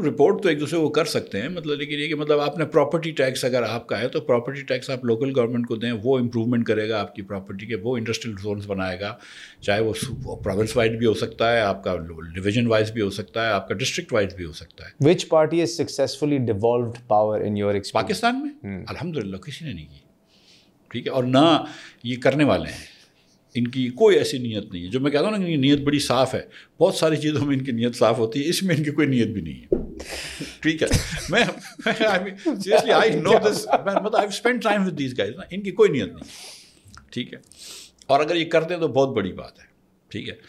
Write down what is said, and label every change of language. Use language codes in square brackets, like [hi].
[ur] Report تو ایک دوسرے وہ کر سکتے ہیں, مطلب لیکن یہ کہ مطلب آپ نے پراپرٹی ٹیکس اگر آپ کا ہے تو پراپرٹی ٹیکس آپ لوکل گورنمنٹ کو دیں, وہ امپروومنٹ کرے گا آپ کی پراپرٹی کے, وہ انڈسٹریل زونس بنائے گا, چاہے وہ پروونس وائز بھی ہو سکتا ہے, آپ کا ڈویژن وائز بھی ہو سکتا ہے, آپ کا ڈسٹرکٹ وائز بھی ہو سکتا ہے. [en] Which party has successfully devolved power in your experience? [ur] Pakistan میں الحمدللہ کسی نے نہیں کی, ٹھیک ہے, اور نہ یہ کرنے والے ہیں, ان کی کوئی ایسی نیت نہیں ہے. جو میں کہتا ہوں نا کہ نیت بڑی صاف ہے, بہت ساری چیزوں میں ان کی نیت صاف ہوتی ہے, اس میں ان کی کوئی نیت بھی نہیں ہے, ٹھیک ہے. میں [en] seriously I know this, [ur] مطلب [en] I spend time with these guys, [ur] ان کی کوئی نیت نہیں, ٹھیک ہے, اور اگر یہ کرتے ہیں تو بہت بڑی بات ہے, ٹھیک ہے.